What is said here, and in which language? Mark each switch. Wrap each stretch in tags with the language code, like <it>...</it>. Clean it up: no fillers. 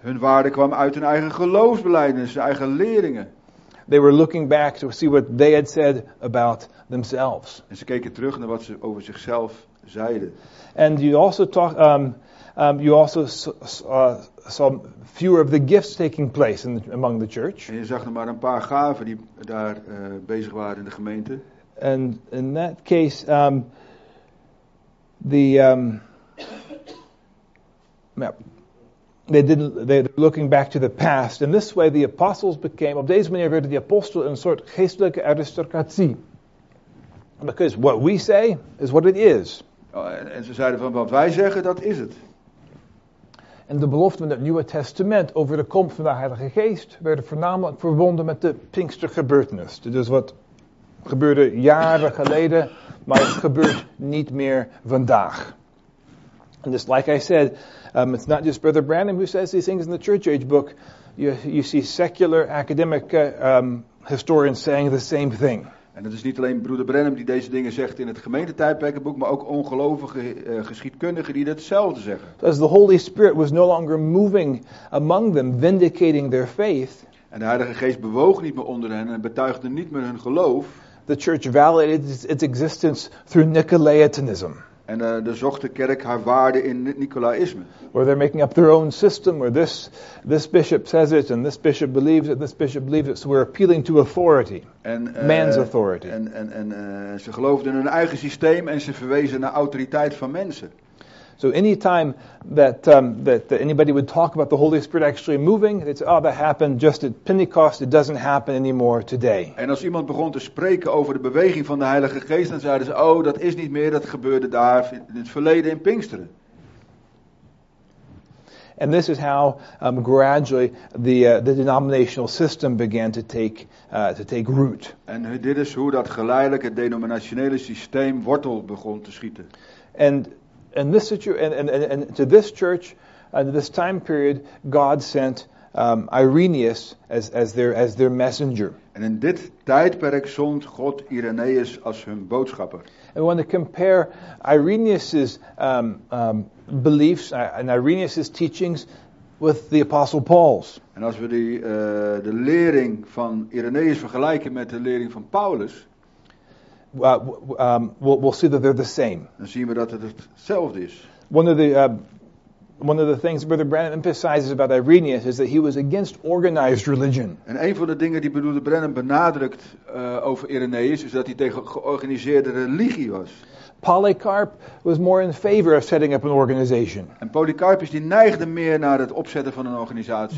<nl>Hun waarde kwam uit hun eigen geloofsbelijdenissen, eigen leringen.</nl> <en>They were looking back to see what they had said about themselves.</en> <nl>En ze keken terug naar wat ze over zichzelf zeiden.</nl> <en>And you also saw fewer of the gifts taking place among the church.</en> <nl>En je zag er maar een paar gaven die daar bezig waren in de gemeente.</nl> <en>And in that case, they're looking back to the past. In this way, the apostles became,</en> <nl>op deze manier werden de apostelen een soort geestelijke aristocratie.</nl> <en>Because what we say is what it is.</en> <nl>Oh, en ze zeiden van wat wij zeggen, dat is het. En de belofte van het Nieuwe Testament over de komst van de Heilige Geest werden voornamelijk verbonden met de Pinkstergebeurtenis. Dit is wat gebeurde jaren geleden, maar het gebeurt niet meer vandaag.</nl> <en>And just like I said, it's not just Brother Branham who says these things in the Church Age book. You see secular academic historians saying the same thing.</en> <nl>En het is niet alleen Broeder Branham die deze dingen zegt in het gemeentetijdperkenboek, maar ook ongelovige geschiedkundigen die datzelfde zeggen.</nl> <en>So as the Holy Spirit was no longer moving among them, vindicating their faith.</en> <nl>En de Heilige Geest bewoog niet meer onder hen en betuigde niet meer hun geloof.</nl> <en>The Church validated its existence through Nicolaitanism.</en> <nl>En dan zocht de kerk haar waarde in het Nicolaïsme.</nl> <en>Or they're making up their own system, or this bishop says it, and this bishop believes it, and this bishop believes it. So we're appealing to authority, man's authority.</en> <nl>En ze geloofden in hun eigen systeem en ze verwezen naar autoriteit van mensen.</nl> <en>So any time that anybody would talk about the Holy Spirit actually moving, they'd say, oh, that happened just at Pentecost, it doesn't happen anymore today.</en> <nl>En als iemand begon te spreken over de beweging van de Heilige Geest, dan zeiden ze, oh, dat is niet meer, dat gebeurde daar in het verleden in Pinksteren.</nl> <en>And this is how gradually the denominational system began to take root.</en> <nl>En dit is hoe dat geleidelijk het denominationele systeem wortel begon te schieten.</nl> <en>And to this church, at this time period, God sent Irenaeus as their messenger.</en> <nl>And in dit tijdperk zond God Irenaeus als hun boodschapper.</nl> <en>And we want to compare Irenaeus's beliefs and Irenaeus's teachings with the apostle Paul's.</en> <nl>And als we de lering van Irenaeus vergelijken met de lering van Paulus.</nl> <en>We'll see that they're the same.</en> <nl>Dan zien we dat het hetzelfde is.</nl> <en>One of the things Brother Branham emphasizes about Irenaeus is that he was against organized religion.</en> <nl>En een van de dingen die Brother Branham benadrukt over Irenaeus is dat hij tegen georganiseerde religie was.</nl> <en>Polycarp was more in favor of setting up an organization.</en> <nl>En Polycarpus die neigde meer naar het opzetten van een organisatie.</nl>